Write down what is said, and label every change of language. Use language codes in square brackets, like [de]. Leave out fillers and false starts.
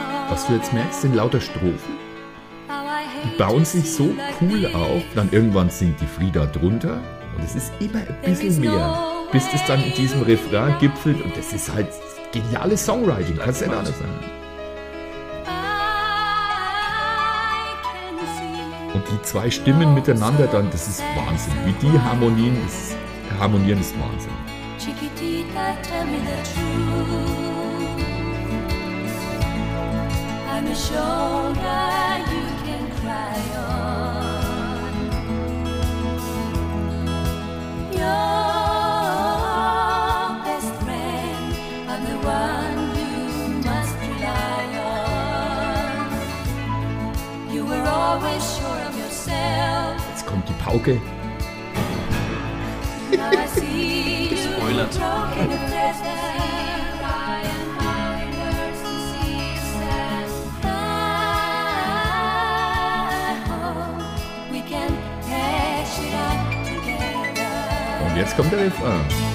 [de] Was du jetzt merkst, sind lauter Strophen. Die bauen sich so cool auf, dann irgendwann singt die Frieda drunter und es ist immer ein bisschen mehr, bis es dann in diesem Refrain gipfelt und das ist halt geniales Songwriting, kannst du ja anders sagen. Und die zwei Stimmen miteinander dann, das ist Wahnsinn. Wie die harmonieren, ist Wahnsinn. [en] Chiquitita, tell me the truth. I'm a shoulder you can cry on. Your best friend, I'm the one you must rely on. You were always sure of yourself. [de] Jetzt kommt die Pauke. Und jetzt kommt der Refrain.